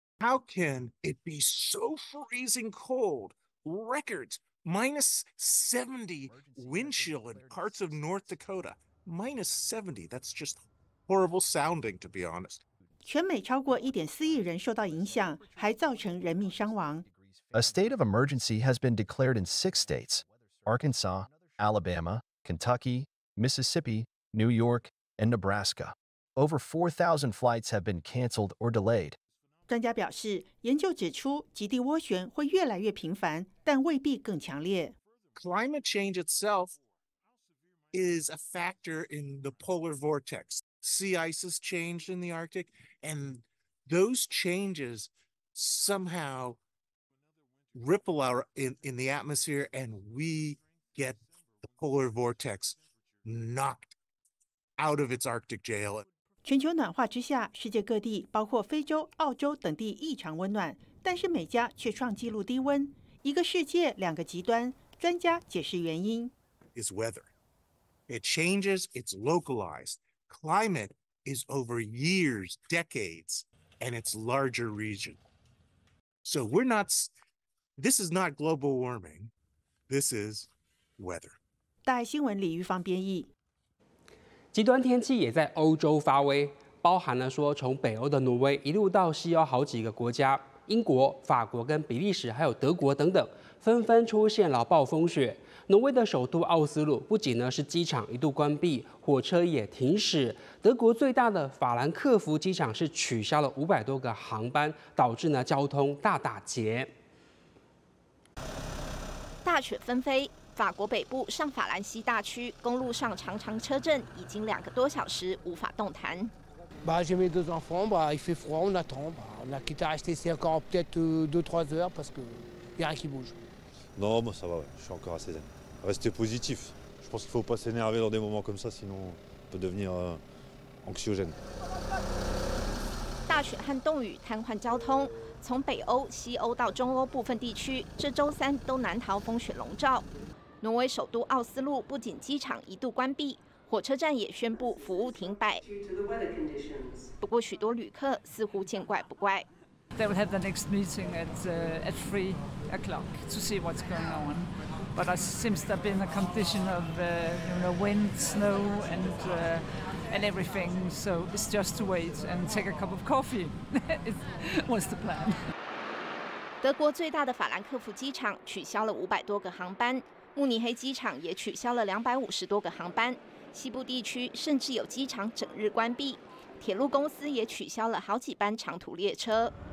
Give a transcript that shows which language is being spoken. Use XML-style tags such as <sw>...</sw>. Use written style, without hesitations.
<en>How can it be so freezing cold? Records -70 wind chill in parts of North Dakota. -70, that's just horrible sounding, to be honest.</en> <zh>全美超过1.4亿人受到影响，还造成人命伤亡。</zh> <en>A state of emergency has been declared in 6 states: Arkansas, Alabama, Kentucky, Mississippi, New York, and Nebraska. Over 4,000 flights have been canceled or delayed.</en> <zh>专家表示，研究指出，极地涡旋会越来越频繁，但未必更强烈。</zh> <en>Climate change itself is a factor in the polar vortex. Sea ice has changed in the Arctic, and those changes somehow ripple out in the atmosphere, and we get the polar vortex knocked out of its Arctic jail.</en> <zh>全球暖化之下，世界各地包括非洲、澳洲等地异常温暖，但是美加却创纪录低温。一个世界，两个极端，专家解释原因。 Is weather. It changes, it's localized. Climate is over years, decades, and it's larger region. So we're not, this is not global warming. This is weather. 大爱新闻李玉芳编译。极端天气也在欧洲发威，包含了说从北欧的挪威一路到西欧好几个国家，英国、法国跟比利时还有德国等等，纷纷出现了暴风雪。挪威的首都奥斯陆不仅呢是机场一度关闭，火车也停驶，德国最大的法兰克福机场是取消了500多个航班，导致呢交通大打结。大雪纷飞，法国北部上法兰西大区公路上长长车阵已经2个多小时无法动弹。</zh> <fr>Bah, j'ai mes deux enfants, bah, il fait froid, on attend, bah, on a quitté acheter, c'est encore peut-être deux, trois heures parce que y a rien qui bouge. Non, moi ça va, je suis encore assez zen. Restez positif. Je pense qu'il faut pas s'énerver dans des moments comme ça, sinon on peut devenir anxiogène.</fr> <zh>大雪和冻雨瘫痪交通，从北欧、西欧到中欧部分地区，这周三都难逃风雪笼罩。挪威首都奥斯陆不仅机场一度关闭，火车站也宣布服务停摆。不过，许多旅客似乎见怪不怪。</zh> <en>They will have the next meeting at 3 o'clock to see what's going on, but it seems to have been a condition of you know, wind, snow, and everything. So it's just to wait and take a cup of coffee. What's the plan?</en> <zh>德国最大的法兰克福机场取消了500多个航班。慕尼黑机场也取消了250多个航班，西部地区甚至有机场整日关闭，铁路公司也取消了好几班长途列车。</zh>